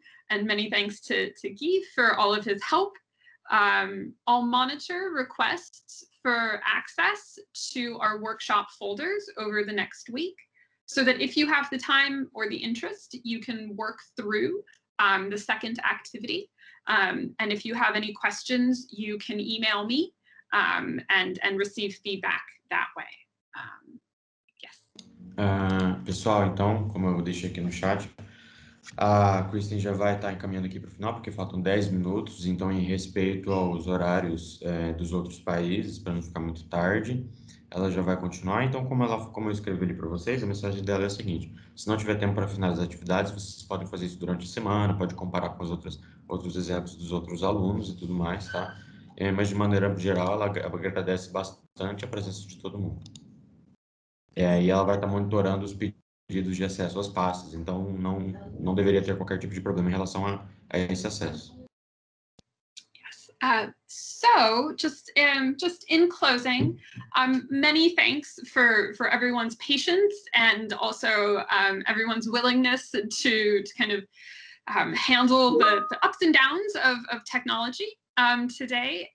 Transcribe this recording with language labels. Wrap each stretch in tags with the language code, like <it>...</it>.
<en>And many thanks to Guy for all of his help. I'll monitor requests for access to our workshop folders over the next week so that if you have the time or the interest, you can work through the second activity. And if you have any questions, you can email me and receive feedback that way. Yes.</en> <pt>Pessoal, então, como eu deixei aqui no chat, a Kristen já vai estar encaminhando aqui para o final, porque faltam 10 minutos, então em respeito aos horários dos outros países, para não ficar muito tarde, ela já vai continuar. Então, como eu escrevi ali para vocês, a mensagem dela é a seguinte: se não tiver tempo para finalizar as atividades, vocês podem fazer isso durante a semana, pode comparar com os outros exemplos dos outros alunos e tudo mais, tá? Mas de maneira geral, ela agradece bastante a presença de todo mundo. E ela vai estar monitorando os pedidos de acesso às pastas, então não deveria ter qualquer tipo de problema em relação a esse acesso.</pt> <en>Yes. So just in closing, many thanks for everyone's patience and also everyone's willingness to kind of handle the ups and downs of technology today.</en>